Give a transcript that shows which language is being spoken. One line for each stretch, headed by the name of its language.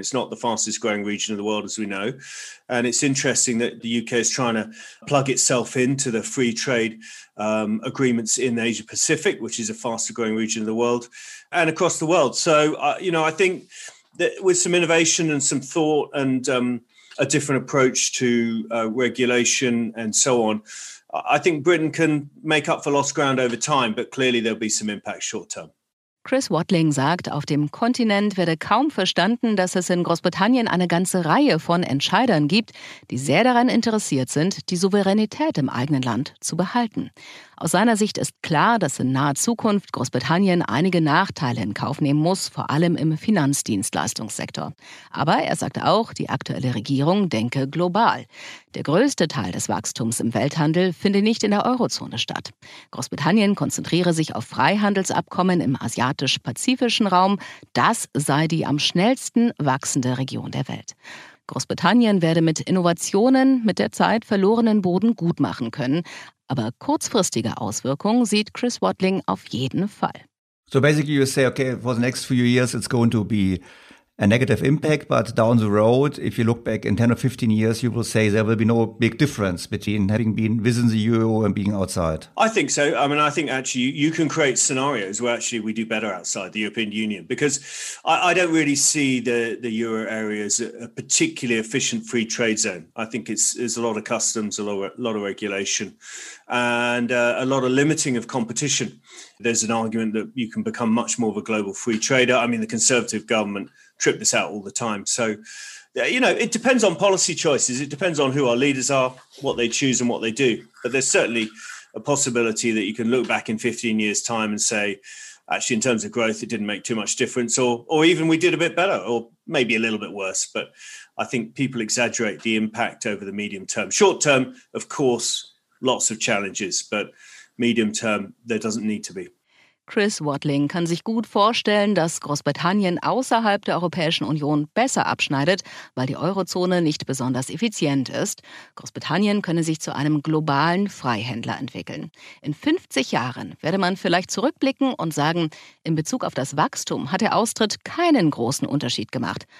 English: It's not the fastest growing region of the world, as we know. And it's interesting that the UK is trying to plug itself into the free trade agreements in Asia Pacific, which is a faster growing region of the world, and across the world. So, you know, I think that with some innovation and some thought and a different approach to regulation and so on, I think Britain can make up for lost ground over time. But clearly there'll be some impact short term.
German: Chris Watling sagt, auf dem Kontinent werde kaum verstanden, dass es in Großbritannien eine ganze Reihe von Entscheidern gibt, die sehr daran interessiert sind, die Souveränität im eigenen Land zu behalten. Aus seiner Sicht ist klar, dass in naher Zukunft Großbritannien einige Nachteile in Kauf nehmen muss, vor allem im Finanzdienstleistungssektor. Aber er sagte auch, die aktuelle Regierung denke global. Der größte Teil des Wachstums im Welthandel finde nicht in der Eurozone statt. Großbritannien konzentriere sich auf Freihandelsabkommen im asiatisch-pazifischen Raum. Das sei die am schnellsten wachsende Region der Welt. Großbritannien werde mit Innovationen mit der Zeit verlorenen Boden gutmachen können. Aber kurzfristige Auswirkungen sieht Chris Watling auf jeden Fall.
English: So basically you say, okay, for the next few years it's going to be a negative impact, but down the road, if you look back in 10 or 15 years, you will say there will be no big difference between having been within the euro and being outside. I think so. I mean, I think actually you can create scenarios where actually we do better outside the European Union, because I don't really see the euro area as a particularly efficient free trade zone. I think it's a lot of customs, a lot of regulation, and a lot of limiting of competition. There's an argument that you can become much more of a global free trader. I mean, the Conservative government trip this out all the time. So, you know, it depends on policy choices. It depends on who our leaders are, what they choose and what they do. But there's certainly a possibility that you can look back in 15 years' time and say, actually, in terms of growth, it didn't make too much difference. Or even we did a bit better, or maybe a little bit worse. But I think people exaggerate the impact over the medium term. Short term, of course, lots of challenges. But medium term, there doesn't need to be.
German: Chris Watling kann sich gut vorstellen, dass Großbritannien außerhalb der Europäischen Union besser abschneidet, weil die Eurozone nicht besonders effizient ist. Großbritannien könne sich zu einem globalen Freihändler entwickeln. In 50 Jahren werde man vielleicht zurückblicken und sagen, in Bezug auf das Wachstum hat der Austritt keinen großen Unterschied gemacht.